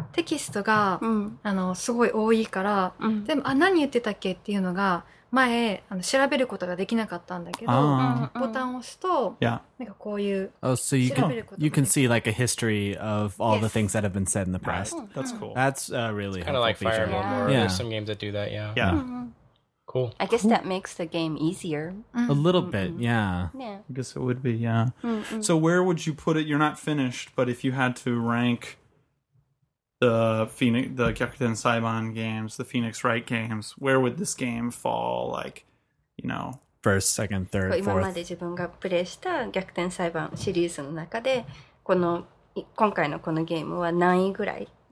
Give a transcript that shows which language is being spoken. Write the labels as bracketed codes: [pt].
[ja] テキストが、うん、すごい多いから、うん、でも、何言ってたっけっていうのが、前、調べることができなかったんだけど、ボタンを押すと、 [en] yeah. [ja] なんかこういう、調べることができる。 [en] Oh, so you can see like a history of all the things that have been said in the past. Right. That's cool. That's really helpful. Kind of like Fire Emblem, or there's some games that do that, yeah. Yeah. Cool. I guess that makes the game easier. Mm-hmm. A little bit, yeah. Yeah. I guess it would be, yeah. Mm-hmm. So where would you put it? You're not finished, but if you had to rank the Phoenix, the Gyakuten Saibon games, the Phoenix Wright games, where would this game fall, like, you know? First, second, third, fourth. [ja] 今まで自分がプレイした逆転裁判シリーズの中で、この今回のこのゲームは何位ぐらい？